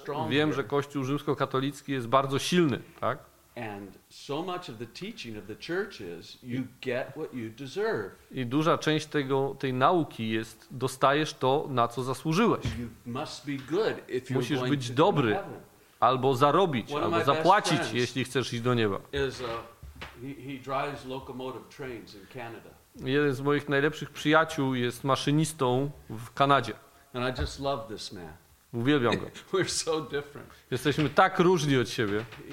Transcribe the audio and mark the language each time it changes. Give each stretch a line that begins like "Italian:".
Polish: Wiem, że Kościół rzymskokatolicki jest bardzo silny, tak?
English: And so much of the teaching of the church is you get what you deserve.
Polish: I duża część tej nauki jest dostajesz to, na co zasłużyłeś.
English: You must be good if you're
Polish: musisz być dobry albo zarobić, albo zapłacić, jeśli chcesz iść do nieba.
English: He drives locomotive trains in Canada.
Polish: Jeden z moich najlepszych przyjaciół jest maszynistą w Kanadzie.
English: And I just love this man.
Polish: Uwielbiam go.
English: We're so different.
Polish: Jesteśmy tak różni od siebie.